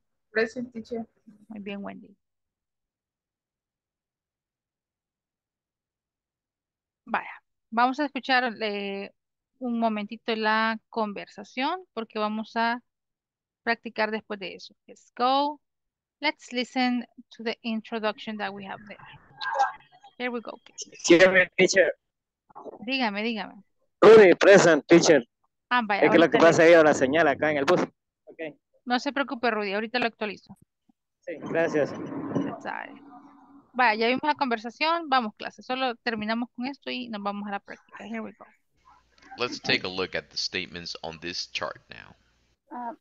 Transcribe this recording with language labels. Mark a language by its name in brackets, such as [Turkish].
[English] Present, teacher. [Spanish] Muy bien, Wendy. Vaya, vamos a escuchar un momentito la conversación porque vamos a practicar después de eso. [English] Let's go. Let's listen to the introduction that we have there. Here we go. [Spanish] Dígame, teacher. Dígame, dígame. [English] Rudy, present, teacher. [Spanish] Ah, vaya. Es que lo que pasa ahí, la señal acá en el bus. [English] Okay. [Spanish] No se preocupe, Rudy, ahorita lo actualizo. Sí, gracias. Sorry. Vaya, ya vimos la conversación, vamos clase. Solo terminamos con esto y nos vamos a la práctica. [English] Here we go. Let's take a look at the statements on this chart now.